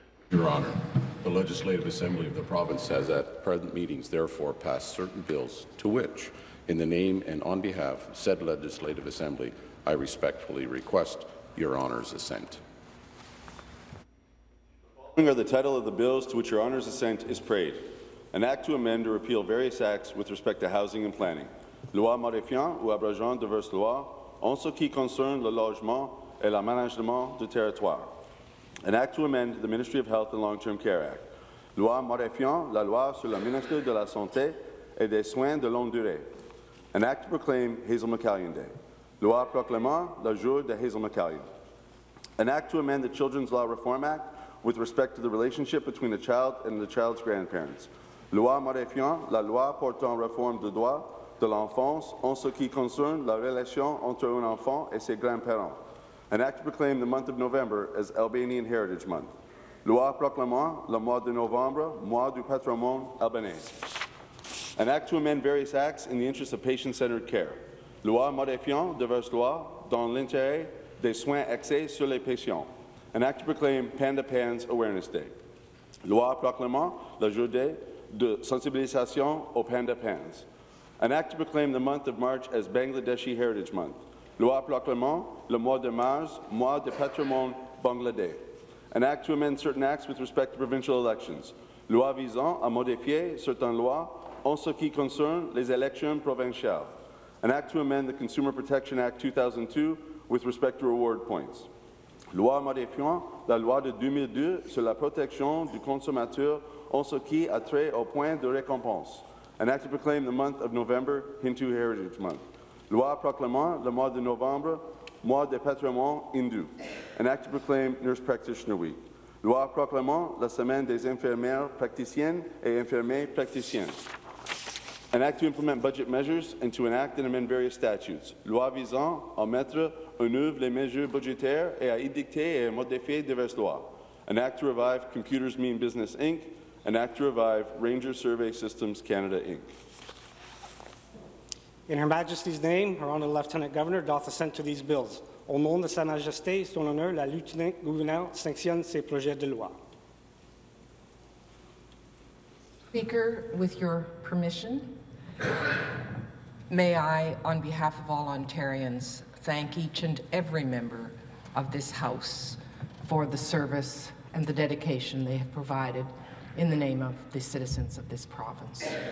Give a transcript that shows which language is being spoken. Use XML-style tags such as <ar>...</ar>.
<en>Your Honor, the Legislative Assembly of the province has at present meetings therefore passed certain bills to which, in the name and on behalf of said Legislative Assembly, I respectfully request Your Honor's assent. The following are the title of the bills to which Your Honor's assent is prayed. An act to amend or repeal various acts with respect to housing and planning.</en> <fr>Loi modifiant ou abrogeant diverses lois en ce qui concerne le logement et l'aménagement du territoire.</fr> <en>An act to amend the Ministry of Health and Long-Term Care Act.</en> <fr>Loi modifiant la loi sur le ministère de la Santé et des soins de longue durée.</fr> <en>An act to proclaim Hazel McCallion Day.</en> <fr>Loi proclamant le jour de Hazel McCallion.</fr> <en>An act to amend the Children's Law Reform Act with respect to the relationship between the child and the child's grandparents.</en> <fr>Loi modifiant la loi portant réforme du droit de l'enfance en ce qui concerne la relation entre un enfant et ses grands-parents.</fr> <en>An act to proclaim the month of November as Albanian Heritage Month.</en> <fr>Loi proclamant le mois de novembre, mois du patrimoine albanais.</fr> <en>An act to amend various acts in the interest of patient-centered care.</en> <fr>Loi modifiant diverses lois dans l'intérêt des soins axés sur les patients.</fr> <en>An act to proclaim Panda Pans Awareness Day.</en> <fr>Loi proclamant la journée de sensibilisation aux Panda Pans.</fr> <en>An act to proclaim the month of March as Bangladeshi Heritage Month.</en> <fr>Loi proclamant le mois de mars, mois de patrimoine Bangladais.</fr> <en>An act to amend certain acts with respect to provincial elections.</en> <fr>Loi visant à modifier certaines lois en ce qui concerne les élections provinciales.</fr> <en>An act to amend the Consumer Protection Act 2002 with respect to reward points.</en> <fr>Loi modifiant la loi de 2002 sur la protection du consommateur en ce qui a trait aux points de récompense.</fr> <en>An act to proclaim the month of November Hindu Heritage Month.</en> <fr>Loi proclamant le mois de novembre, mois de patrimoine hindou.</fr> <en>An act to proclaim Nurse Practitioner Week.</en> <fr>Loi proclamant la semaine des infirmières practiciennes et infirmiers practiciens.</fr> <en>An act to implement budget measures and to enact and amend various statutes.</en> <fr>Loi visant à mettre en œuvre les mesures budgétaires et à édicter et modifier diverses lois.</fr> <en>An act to revive Computers Mean Business Inc. An act to revive Ranger Survey Systems Canada Inc. In Her Majesty's name, Her Honourable Lieutenant Governor doth assent to these bills.</en> <fr>Au nom de Sa Majesté, son honneur, la Lieutenant Gouverneur sanctionne ces projets de loi.</fr> <en>Speaker, with your permission, may I, on behalf of all Ontarians, thank each and every member of this House for the service and the dedication they have provided in the name of the citizens of this province.</en>